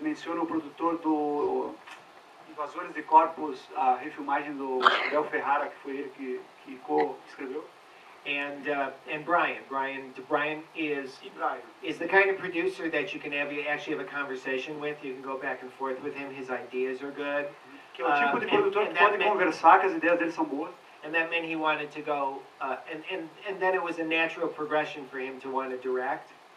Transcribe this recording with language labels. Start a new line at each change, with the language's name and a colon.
Portuguese: menciona o produtor do Invasores de Corpos, a refilmagem do Abel Ferrara, que foi ele que co-escreveu.
English: And Brian is the kind of producer that you can have, you actually have a conversation with, you can go back and forth with him, his ideas are good.
Portuguese: Que é o tipo de produtor que pode conversar, que as ideias dele são boas.
English: And that meant he wanted to go, and then it was a natural progression for him to want to direct.